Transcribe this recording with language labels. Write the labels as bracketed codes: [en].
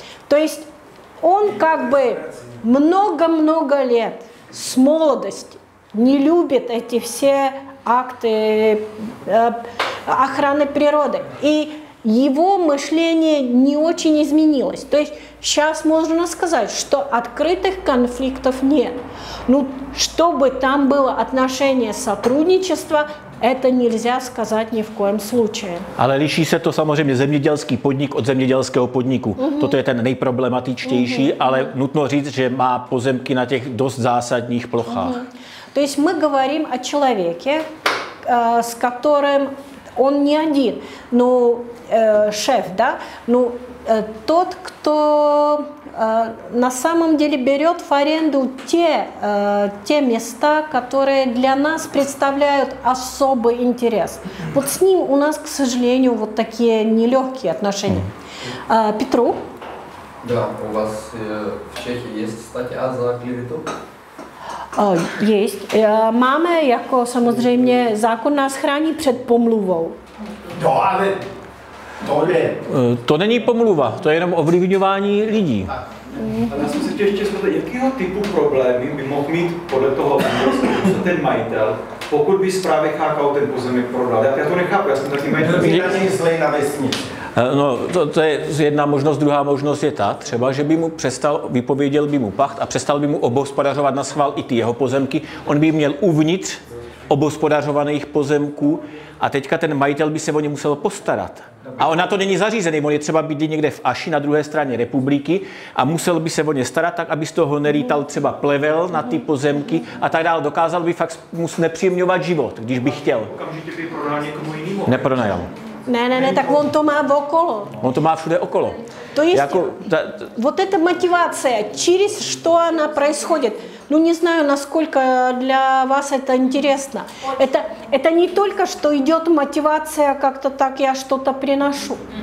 [ru] То есть он как бы много-много лет с молодости не любит эти все акты охраны природы. И его мышление не очень изменилось. То есть сейчас можно сказать, что открытых конфликтов нет. Ну, чтобы там было отношение сотрудничества, это нельзя сказать ни в коем случае. [cs] Ale liší se to samozřejmě zemědělský podnik od zemědělského podniku. Uh-huh. Toto je ten nejproblematičtější, uh-huh. ale nutno říct, že má pozemky na těch dost zásadních plochách. Uh-huh. [ru] То есть мы говорим о человеке, с которым он не один, но шеф, да? Ну, тот, кто на самом деле берет в аренду те места, которые для нас представляют особый интерес. Вот с ним у нас, к сожалению, вот такие нелегкие отношения. Петру? Да, у вас в Чехии есть статья за клевету? Есть. [cs] Máme, jako samozřejmě, zákon nás chrání před pomluvou. Jo, ale... To není pomluva, to je jenom ovlivňování lidí. A já jsem se chtěl ještě zeptat, jakého typu problémy by mohl mít podle toho ten majitel, pokud by správně chápal ten pozemek prodal? Já to nechápu, já jsem taky majitel. Je to zlej na vesnici. No, to je jedna možnost, druhá možnost je ta, třeba, že by mu přestal, vypověděl by mu pacht a přestal by mu obhospodařovat na schvál i ty jeho pozemky, on by měl uvnitř obhospodařovaných pozemků a teďka ten majitel by se o ně musel postarat. A on na to není zařízený, on je třeba být někde v Aši na druhé straně republiky a musel by se o ně starat tak, aby z toho nerýtal třeba plevel na ty pozemky a tak dále. Dokázal by fakt mu znepříjemňovat život, když by chtěl. Okamžitě by prodal někomu jinému. Nepronajal. Ne, tak on to má okolo. On to má všude okolo. To je jako, [ru] вот эта мотивация, через что она происходит. Ну, не знаю, насколько для вас это интересно. Это не только, что идет мотивация, как-то так я что-то приношу.